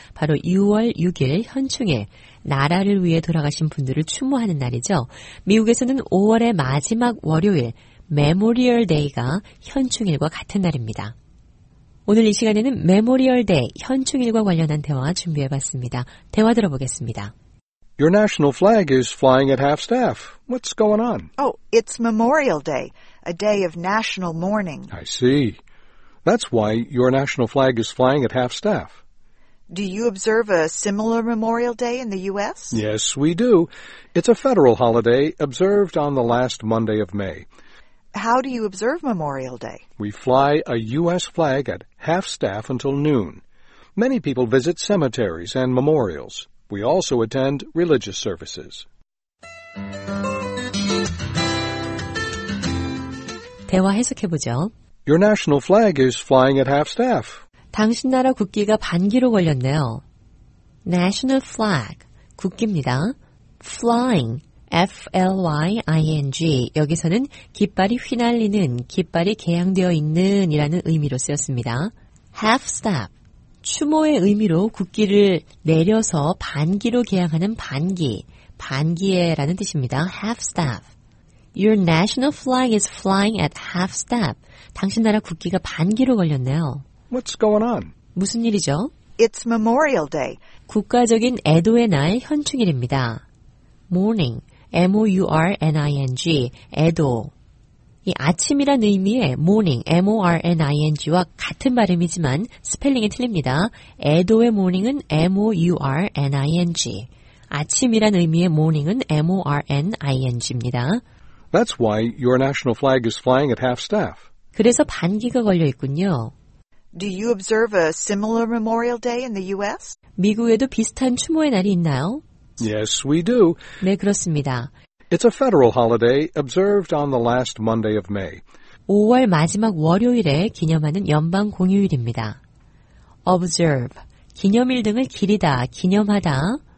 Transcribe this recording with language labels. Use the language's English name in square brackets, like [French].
[Korean] 바로 6월 6일 현충일, 나라를 위해 돌아가신 분들을 추모하는 날이죠. 미국에서는 5월의 마지막 월요일, 메모리얼 데이가 현충일과 같은 날입니다. 오늘 이 시간에는 메모리얼 데이, 현충일과 관련한 대화 준비해봤습니다. 대화 들어보겠습니다. [English] Your national flag is flying at half staff. What's going on? Oh, it's Memorial Day, a day of national mourning. I see. That's why your national flag is flying at half staff. Do you observe a similar Memorial Day in the U.S.? Yes, we do. It's a federal holiday observed on the last Monday of May. How do you observe Memorial Day? We fly a U.S. flag at half staff until noon. Many people visit cemeteries and memorials. We also attend religious services. [Korean] 대화 해석해 보죠. [English] Your national flag is flying at half staff. [Korean] 당신 나라 국기가 반기로 걸렸네요. [English] National flag, 국기입니다. Flying, F-L-Y-I-N-G. [Korean] 여기서는 깃발이 휘날리는, 깃발이 개양되어 있는 이라는 의미로 쓰였습니다. [English] Half staff. [Korean] 추모의 의미로 국기를 내려서 반기로 개양하는 반기, 반기에라는 뜻입니다. [English] Half staff. Your national flag is flying at half staff. [Korean] 당신 나라 국기가 반기로 걸렸네요. [English] What's going on? [Korean] 무슨 일이죠? [English] It's Memorial Day. [Korean] 국가적인 애도의 날 현충일입니다. [English] Morning, M-O-U-R-N-I-N-G, 애도. [Korean] 이 아침이란 의미의 morning, M-O-R-N-I-N-G와 같은 발음이지만 스펠링이 틀립니다. 애도의 morning은 M-O-U-R-N-I-N-G. 아침이란 의미의 morning은 M-O-R-N-I-N-G입니다. [English] That's why your national flag is flying at half staff. [Korean] 그래서 반기가 걸려 있군요. [English] Do you observe a similar Memorial Day in the U.S.? [Korean] 미국에도 비슷한 추모의 날이 있나요? [English] Yes, we do. [Korean] 네, 그렇습니다. [English] It's a federal holiday observed on the last Monday of May. [Korean] 5월 마지막 월요일에 기념하는 연방 공휴일입니다. Observe, 기념일 등을 기리다, 기념하다.